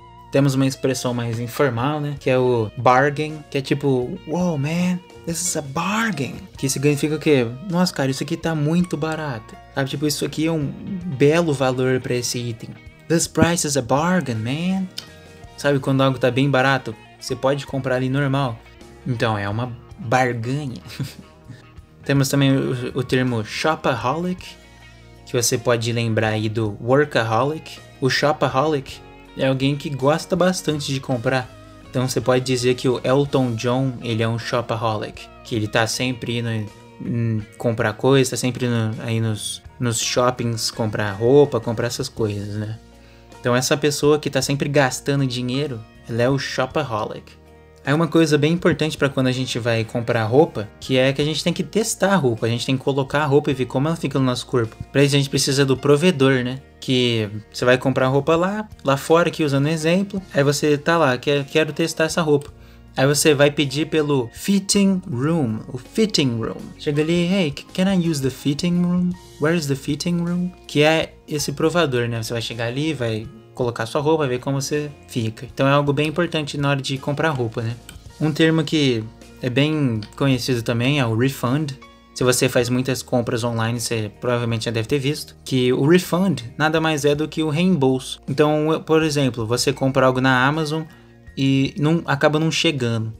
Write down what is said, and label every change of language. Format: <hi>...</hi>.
<pt>Temos uma expressão mais informal, né? Que é o bargain, que é tipo,</pt> <en>wow, man, this is a bargain.</en> <pt>Que significa o quê? Nossa, cara, isso aqui tá muito barato. Sabe, tipo, isso aqui é um belo valor pra esse item.</pt> <en>This price is a bargain, man.</en> <pt>Sabe, quando algo tá bem barato, você pode comprar ali normal. Então, é uma barganha. Temos também o termo shopaholic, que você pode lembrar aí do workaholic. O shopaholic é alguém que gosta bastante de comprar. Então você pode dizer que o Elton John, ele é um shopaholic. Que ele tá sempre indo comprar coisas, tá sempre indo aí nos shoppings comprar roupa, comprar essas coisas, né? Então essa pessoa que tá sempre gastando dinheiro, ela é o shopaholic. Aí uma coisa bem importante pra quando a gente vai comprar roupa, que é que a gente tem que testar a roupa, a gente tem que colocar a roupa e ver como ela fica no nosso corpo. Pra isso a gente precisa do provedor, né? Que você vai comprar roupa lá fora, aqui usando exemplo, aí você tá lá, quero testar essa roupa. Aí você vai pedir pelo fitting room, o fitting room. Chega ali,</pt> <en>hey, can I use the fitting room? Where is the fitting room?</en> <pt>Que é esse provador, né? Você vai chegar ali, vai colocar sua roupa, ver como você fica. Então é algo bem importante na hora de comprar roupa, né? Um termo que é bem conhecido também é o refund. Se você faz muitas compras online, você provavelmente já deve ter visto. Que o refund nada mais é do que o reembolso. Então, por exemplo, você compra algo na Amazon e acaba não chegando.</pt>